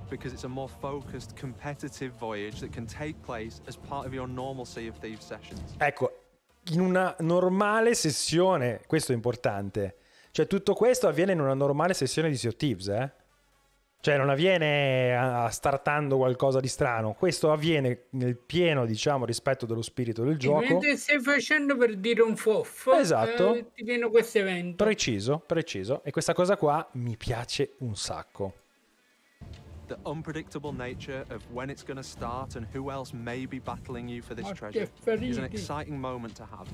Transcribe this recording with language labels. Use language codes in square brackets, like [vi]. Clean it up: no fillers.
[en] Because it's a more focused competitive voyage that can take place as part of your normal Sea of Thieves sessions. [it] Ecco, in una normale sessione, questo è importante. Cioè tutto questo avviene in una normale sessione di Sea of Thieves, eh? Cioè non avviene startando qualcosa di strano, questo avviene nel pieno, diciamo, rispetto dello spirito del gioco. E stai facendo per dire un fuffo. Esatto. Ti viene questo evento. Preciso. E questa cosa qua mi piace un sacco. [en] The unpredictable nature of when it's going to start and who else may be battling you for this treasure is an exciting moment to have.